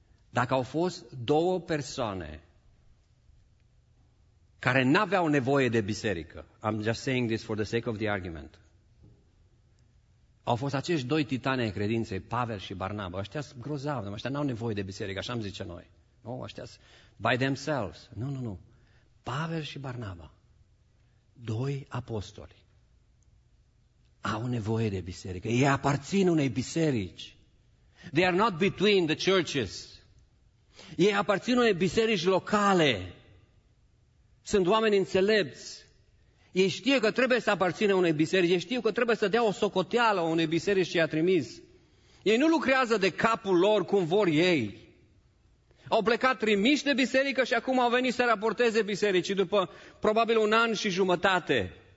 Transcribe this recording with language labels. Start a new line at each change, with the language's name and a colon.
Romanian: Dacă au fost două persoane care n-aveau nevoie de biserică,
English: I'm just saying this for the sake of the argument,
Romanian: au fost acești doi titani ai credinței, Pavel și Barnaba. Ăștia sunt grozavi, ăștia n-au nevoie de biserică, așa am zice noi. Nu, ăștia sunt
English: by themselves.
Romanian: Nu, nu, nu. Pavel și Barnaba, doi apostoli, au nevoie de biserică. Ei aparțin unei biserici.
English: They are not between the churches.
Romanian: Ei aparțin unei biserici locale. Sunt oameni înțelepți. Ei știe că trebuie să aparțină unei biserici. Ei știu că trebuie să dea o socoteală unei biserici ce i-a trimis. Ei nu lucrează de capul lor cum vor ei. Au plecat trimiși de biserică și acum au venit să raporteze bisericii după probabil un an și jumătate.